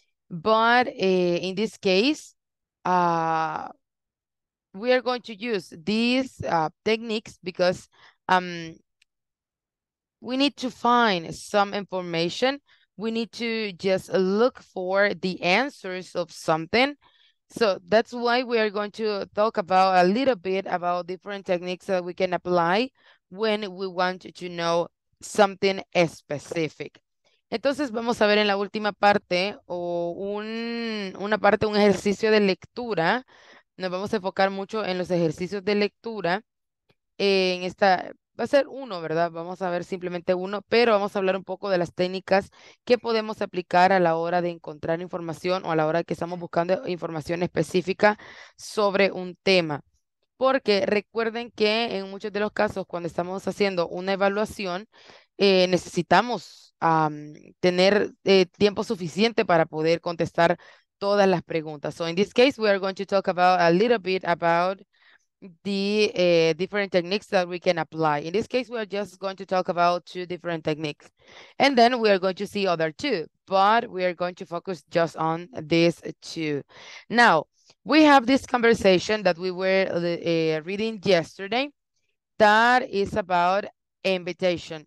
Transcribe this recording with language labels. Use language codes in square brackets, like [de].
[en] But in this case, we are going to use these techniques because we need to find some information. We need to just look for the answers of something. So that's why we are going to talk about a little bit about different techniques that we can apply when we want to know something specific. [es] Entonces vamos a ver en la última parte o una parte, un ejercicio de lectura. Nos vamos a enfocar mucho en los ejercicios de lectura. En esta va a ser uno, ¿verdad? Vamos a ver simplemente uno, pero vamos a hablar un poco de las técnicas que podemos aplicar a la hora de encontrar información o a la hora de que estamos buscando información específica sobre un tema. Porque recuerden que en muchos de los casos, cuando estamos haciendo una evaluación, necesitamos tener tiempo suficiente para poder contestar todas las preguntas. [en] So in this case, we are going to talk about a little bit about the different techniques that we can apply. In this case, we are just going to talk about two different techniques. And then we are going to see other two, but we are going to focus just on these two. Now, we have this conversation that we were reading yesterday that is about invitation.